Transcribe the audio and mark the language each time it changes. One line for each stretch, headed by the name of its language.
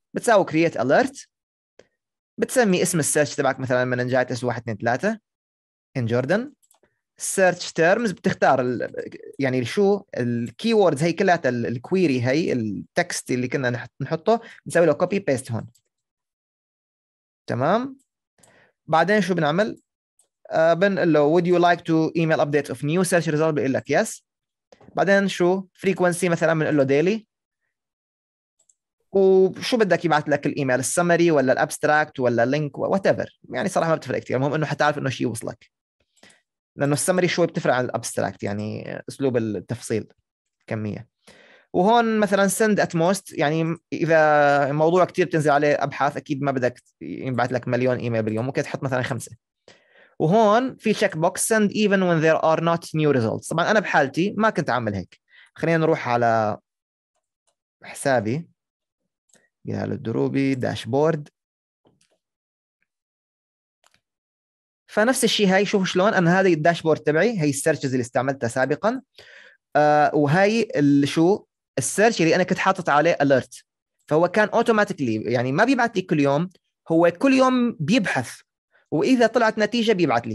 Arabic: بتساوي كرييت اليرت، بتسمي اسم السيرش تبعك مثلا منينجايتس 1 2 3 ان جوردن، سيرش تيرمز بتختار يعني شو الكي ووردز هي كلها، الكويري هي التكست اللي كنا نحطه بنسوي له كوبي بيست هون. تمام. بعدين شو بنعمل؟ بنقول له
English: would you like to email update of new search result،
Arabic: بيقول لك yes. بعدين شو frequency مثلا بنقول له daily، وشو بدك يبعث لك الايميل، السمري ولا الابستراكت ولا لينك whatever، يعني صراحه ما بتفرق كثير، المهم انه حتعرف انه شيء وصلك، لانه السمري شوي بتفرق عن الابستراكت يعني اسلوب التفصيل كميه. وهون مثلا send at most، يعني اذا موضوع كتير بتنزل عليه ابحاث اكيد ما بدك ينبعث لك مليون ايميل باليوم، ممكن تحط مثلا 5. وهون في
English: check box send even when there are not new results.
Arabic: طبعا انا بحالتي ما كنت عامل هيك، خلينا نروح على حسابي بلال الدروبي داشبورد. فنفس الشيء هاي، شوفوا شلون انا هذا الداشبورد تبعي، هي السيرشز اللي استعملتها سابقا، وهي شو السيرش اللي انا كنت حاطط عليه اليرت، فهو كان اوتوماتيكلي يعني ما بيبعث لي كل يوم، هو كل يوم بيبحث واذا طلعت نتيجه بيبعث لي.